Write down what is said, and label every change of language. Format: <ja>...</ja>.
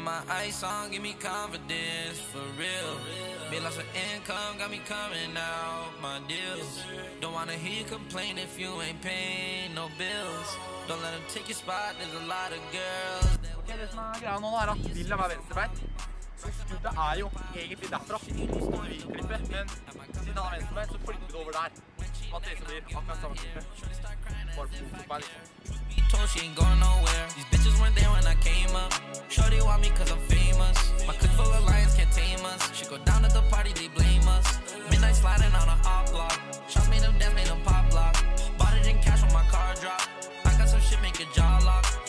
<en>Ice on, give me confidence, for real. Bill lost like my income, got me coming out my deals. Don't wanna hear you complain if you ain't paying no bills. Don't let them take your spot, there's a lot of girls.</en> <no>Ok, det som er greia nå er at William er venstrebeint. Så skuddet er jo egentlig derfra. Vi står i klippet, men siden han er venstrebeint, så flytter vi det over der. At det som blir akkurat samme klippet. Bare for fotball, liksom.</no> <en>She ain't going nowhere. These bitches weren't there when I came up. Shorty want me cause I'm famous. My clique full of lions can't tame us. She go down at the party, they blame us. Midnight sliding on a hot block. Shot me them dance, made them pop lock. Bought it in cash when my car drop. I got some shit, make a jaw lock.</en>